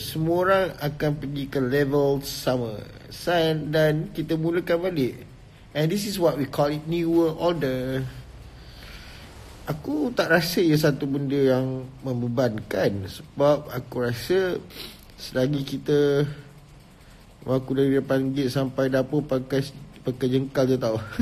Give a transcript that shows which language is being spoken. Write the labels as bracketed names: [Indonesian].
[Malay] Semua orang akan pergi ke level sama. Dan kita mulakan balik. [English] And this is what we call it new world order. [Malay] Aku tak rasa ia satu benda yang membebankan. Sebab aku rasa selagi kita aku dari depan gate sampai dapur pakai jengkal je tau.